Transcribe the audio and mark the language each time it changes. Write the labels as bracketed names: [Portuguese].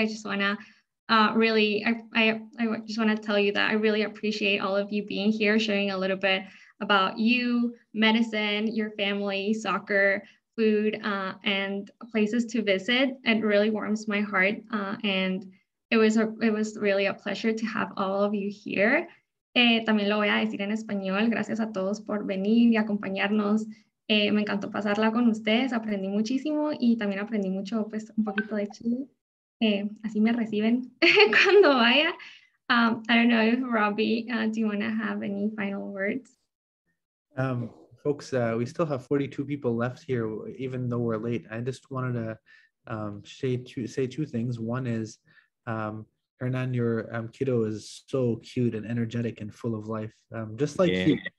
[English] I just wanna I just wanna tell you that I really appreciate all of you being here, sharing a little bit about you, medicine, your family, soccer, food, and places to visit. It really warms my heart. And it was really a pleasure to have all of you here. [Spanish] También lo voy a decir en español. Gracias a todos por venir y acompañarnos. Me encantó pasarla con ustedes, aprendí muchísimo y también aprendí mucho, pues, un poquito de Chile. Así me reciben cuando vaya. [English] I don't know if Robbie, do you want to have any final words? Folks, we still have 42 people left here, even though we're late. I just wanted to say two things. One is, Hernan, your kiddo is so cute and energetic and full of life, just like you. Yeah.